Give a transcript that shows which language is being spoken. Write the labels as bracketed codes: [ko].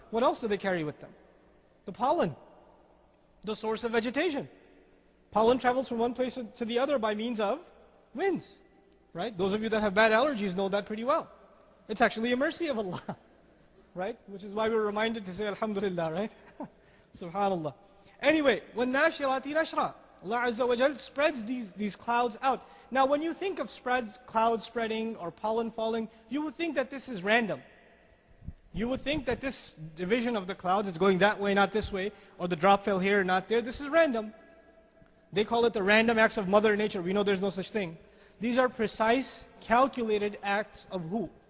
[en] What else do they carry with them? The pollen. The source of vegetation. Pollen travels from one place to the other by means of winds. Right? Those of you that have bad allergies know that pretty well. It's actually a mercy of Allah. Right? Which is why we're reminded to say Alhamdulillah, right? Subhanallah. Anyway, [ar] وَالنَّاشِرَاتِ نَشْرًا. [en] Allah Azza wa Jal spreads these clouds out. Now when you think of clouds spreading or pollen falling, you would think that this is random. You would think that this division of the clouds is going that way, not this way, or the drop fell here, not there. This is random. They call it the random acts of Mother Nature. We know there's no such thing. These are precise, calculated acts of who?